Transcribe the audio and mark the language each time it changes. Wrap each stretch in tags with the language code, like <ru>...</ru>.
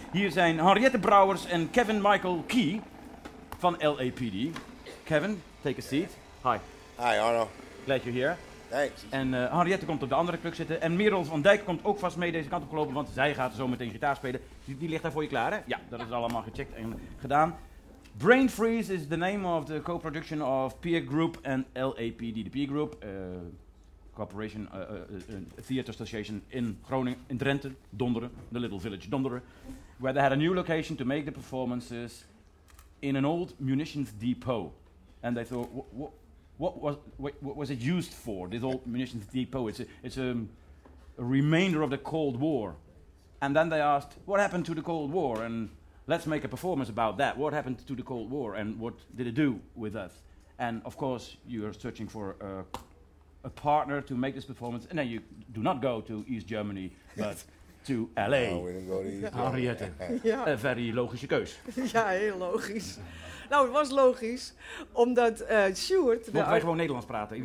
<nl>Hier zijn Henriette Brouwers en Kevin Michael Key van LAPD.</nl> <en>Kevin, take a seat. Hi. Hi, Arno. Glad you're here. Thanks.</en> <nl>En Henriette komt op de andere kluk zitten. En Merel van Dijk komt ook vast mee deze kant op gelopen, want zij gaat zo meteen gitaar spelen. Die ligt daar voor je klaar, hè? Ja, dat is allemaal gecheckt en gedaan.</nl> <en>Brain Freeze is the name of the co-production of Peer Group and LAPD. The Peer Group, Corporation Theater Association in Groningen, in Drenthe, Donderen, the little village Donderen, where they had a new location to make the performances in an old munitions depot. And they thought, what was it used for, this old munitions depot? It's a remainder of the Cold War. And then they asked, what happened to the Cold War? And let's make a performance about that. What happened to the Cold War and what did it do with us? And of course, you're searching for a partner to make this performance. And then you do not go to East Germany, but to LA. No, we didn't go to East</en> <nl>Germany. Henriette. Yeah. Een</nl> <en>very</en> <nl>logische keus. Ja, heel logisch. Nou, het was logisch, omdat Stuart... Mogen wij gewoon Nederlands praten?</nl>